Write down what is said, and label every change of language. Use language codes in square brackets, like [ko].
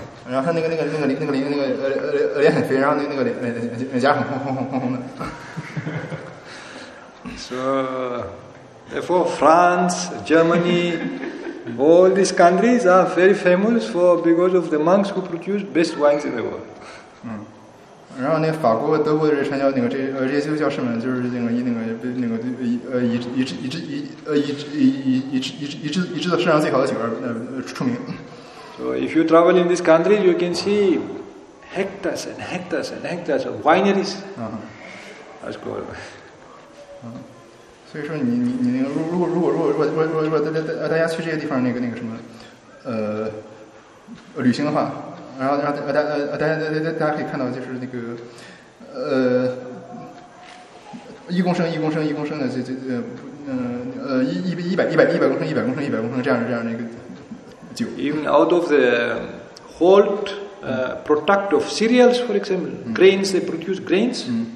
[zh] 然后脸很肥，然后脸颊很红的。 [en] So, therefore, France, Germany, all these countries are very famous because of the monks who produce best wines in the world. [zh] 然后法国、德国的人传教，这些基督教士们就是以制作世上最好的酒出名。 [en] So if you travel in this country, you can see hectares and hectares and hectares of wineries. That's cool. [zh] 所以说如果大家去这些地方旅行的话，然后大家可以看到就是一公升的一百公升这样的一个。 [en] Even out of the whole product of cereals, for example, grains, they produce grains.